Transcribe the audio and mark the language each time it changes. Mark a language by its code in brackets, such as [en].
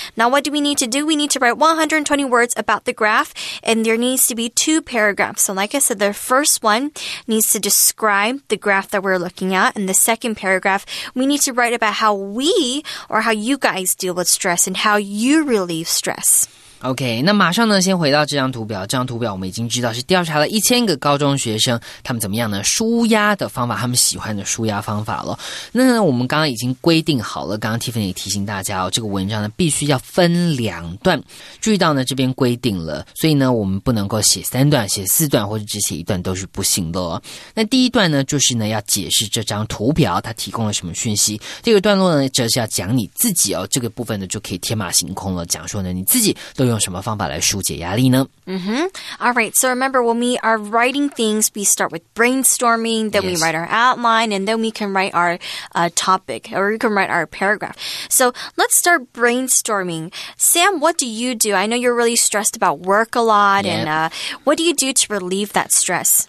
[en] Now, what do we need to do? We need to write 120 words about the graph, and there needs to be two paragraphs. So like I said, the first one needs to describe the graph that we're looking at. And the second paragraph, we need to write about how we or how you guys deal with stress and how you relieve stress. [zh] OK, 那马上呢先回到这张图表。这张图表我们已经知道是调查了1000个高中学生，他们怎么样呢？纾压的方法，他们喜欢的纾压方法了。那呢我们刚刚已经规定好了，刚刚 Tiffany 提醒大家哦，这个文章呢必须要分两段。注意到呢这边规定了，所以呢我们不能够写三段、写四段或者只写一段都是不行的哦。那第一段呢就是呢要解释这张图表它提供了什么讯息。第二个段落呢则是要讲你自己哦，这个部分呢就可以天马行空了，讲说呢你自己都用什么方法来纾解压力呢？ [en] Mm-hmm. All right. So remember, when we are writing things, we start with brainstorming, then we write our outline, and then we can write our topic, or we can write our paragraph. So let's start brainstorming. Sam, what do you do? I know you're really stressed about work a lot, and what do you do to relieve that stress?